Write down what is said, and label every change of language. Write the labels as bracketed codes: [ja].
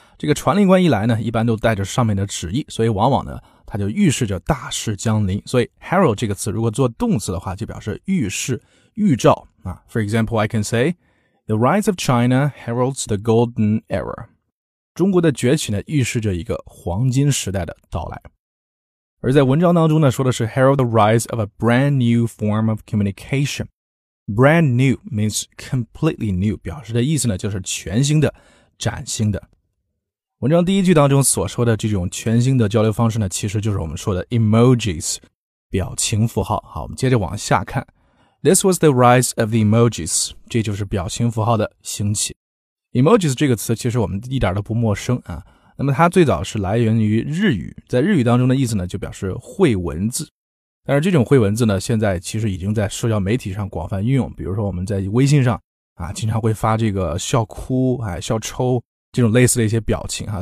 [zh] 这个传令官一来呢，一般都带着上面的旨意，所以往往呢它就预示着大事将临。所以 herald 这个词如果做动词的话，就表示预示、预兆啊。 [en] For example, I can say the rise of China heralds the golden era. [zh] 中国的崛起呢，预示着一个黄金时代的到来。 [en] 而在文章当中呢，说的是 herald the rise of a brand new form of communication. [zh] Brand new means completely new, 表示的意思呢，就是全新的、崭新的。文章第一句当中所说的这种全新的交流方式呢，其实就是我们说的 emojis, 表情符号。好，我们接着往下看。 [en] This was the rise of the emojis, 这就是表情符号的兴起。 [zh] Emojis 这个词其实我们一点都不陌生啊。那么它最早是来源于日语，在日语当中的意思呢，就表示会文字。但是这种会文字呢，现在其实已经在社交媒体上广泛运用，比如说我们在微信上啊，经常会发这个笑哭、笑抽这种类似的一些表情啊。